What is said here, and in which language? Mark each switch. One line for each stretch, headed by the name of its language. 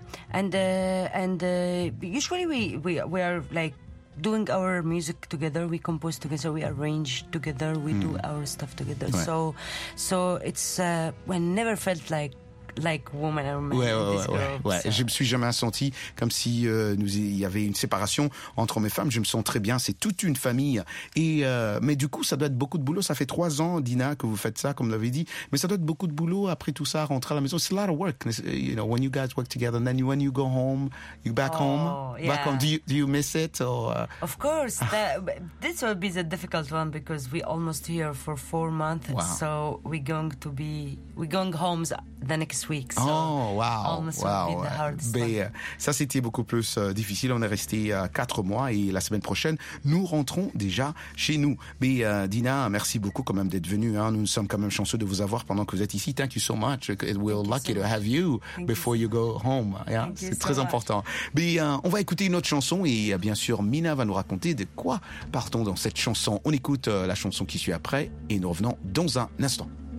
English: And usually we are like doing our music together, we compose together, we arrange together, we do our stuff together. Right. So it's we never felt like like woman or man.
French: Je me suis jamais senti comme si il y avait une séparation entre hommes et femmes. Je me sens très bien. C'est toute une famille. Mais du coup, ça doit être beaucoup de boulot. Ça fait 3 ans, Dina, que vous faites ça, comme vous l'avez dit. Mais ça doit être beaucoup de boulot après tout ça, rentrer à la maison.
English: It's a lot of work. You know, when you guys work together, and then when you go home, you back home. Yeah. Back home. Do you miss it? Or, Of course. This will be the difficult one because we almost here for 4 months. Wow. So we're going home the next week. So
French: ça c'était beaucoup plus difficile. On est resté 4 mois et la semaine prochaine nous rentrons déjà chez nous. Mais Dina, merci beaucoup quand même d'être venue. Hein. Nous sommes quand même chanceux de vous avoir pendant que vous êtes ici.
English: Thank you so much. We're lucky to have you before you go home.
French: Yeah, c'est très important. Mais on va écouter une autre chanson et bien sûr Mina va nous raconter de quoi partons dans cette chanson. On écoute la chanson qui suit après et nous revenons dans un instant.